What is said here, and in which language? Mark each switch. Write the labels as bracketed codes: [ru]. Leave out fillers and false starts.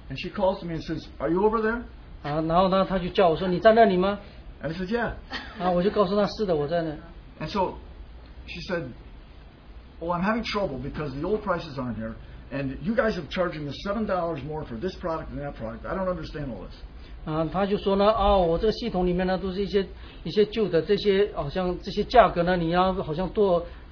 [en] And she calls me and says, "Are you over there?" [zh] 然后呢，他就叫我说，你在那里吗？ [en] And I said, "Yeah." [zh] 我就告诉他，是的，我在那。 [en] And so she said, "Well, I'm having trouble because the old prices aren't here, and you guys are charging us $7 more for this product than that product. I don't understand all this." [zh] 他就说呢，我这个系统里面呢，都是一些旧的这些，好像这些价格呢，你要好像多。